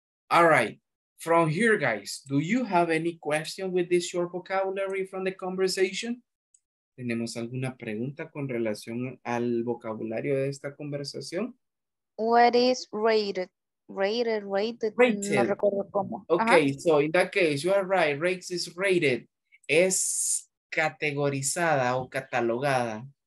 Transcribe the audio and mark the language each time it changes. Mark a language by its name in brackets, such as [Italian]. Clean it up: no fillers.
[English] All right, from here, guys, do you have any question with this short vocabulary from the conversation? [Spanish] ¿Tenemos alguna pregunta con relación al vocabulario de esta conversación? [English] What is rated? Rated. [Spanish] No recuerdo cómo. [English] Okay, uh-huh. So in that case, you are right. Rex is rated. [Spanish] Es categorizada o catalogada.